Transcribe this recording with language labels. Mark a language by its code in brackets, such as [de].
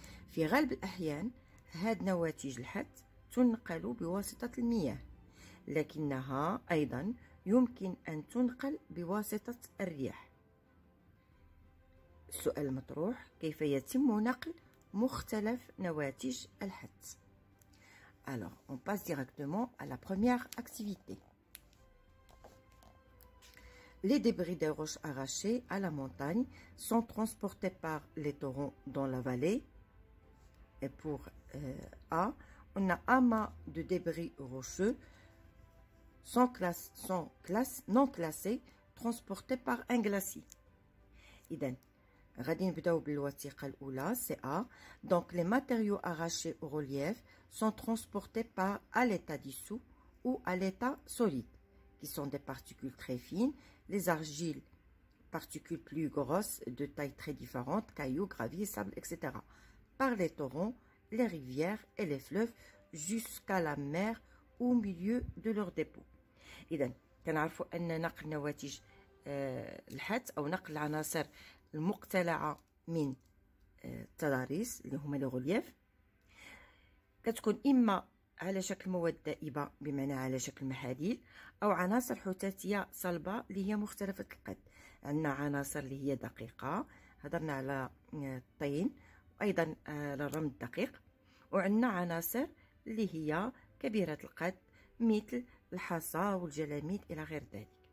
[ar] في غالب الاحيان هاد نواتج الحت تنقل بواسطه المياه لكنها ايضا يمكن أن تنقل بواسطة الرياح. السؤال المطروح كيف يتم نقل مختلف نواتج الحت؟ [fr] Alors, on passe directement à la première activité. Les débris de roches arrachées à la montagne sont transportés par les torrents dans la vallée. Et pour A, on a amas de débris rocheux sans classe, non classés, transportés par un glacier. [ar] Iden, radin bdaou bilwatiqa l'oula, [fr] c'est A. Donc, les matériaux arrachés au relief sont transportés par à l'état dissous ou à l'état solide, qui sont des particules très fines, les argiles, particules plus grosses, de taille très différente, cailloux, gravier, sable, etc. Par les torrents, les rivières et les fleuves, jusqu'à la mer au milieu de leur dépôt. [ar] إذن كنعرفوا أن نقل نواتج الحت أو نقل العناصر المقتلعة من التضاريس اللي هما لي غولييف كتكون إما على شكل مواد دائبة بمعنى على شكل محاليل أو عناصر حتاتية صلبة اللي هي مختلفة القد عندنا عناصر اللي هي دقيقة هضرنا على الطين وأيضا على الرمل الدقيق وعندنا عناصر اللي هي كبيرة القد مثل الحصى والجلاميد الى غير ذلك